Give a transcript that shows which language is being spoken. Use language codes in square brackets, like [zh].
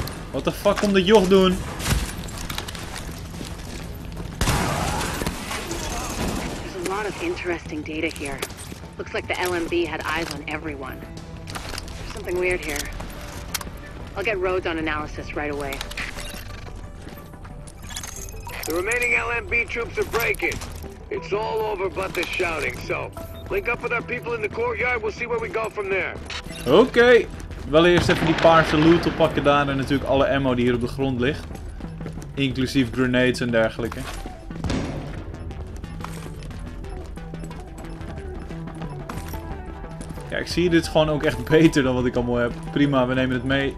[nl] Wat de fuck komt de joch doen? [en] There's a lot of interesting data here. Looks like the LMB had eyes on everyone. There's something weird here. I'll get Rhodes on analysis right away. The remaining LMB troops are breaking. It's all over but the shouting. So, link up with our people in the courtyard. We'll see where we go from there. Okay. [nl] Wel eerst even die paarse loot oppakken daar en natuurlijk alle ammo die hier op de grond ligt. Inclusief grenades en dergelijke. Ja, ik zie dit gewoon ook echt beter dan wat ik allemaal heb. Prima, we nemen het mee.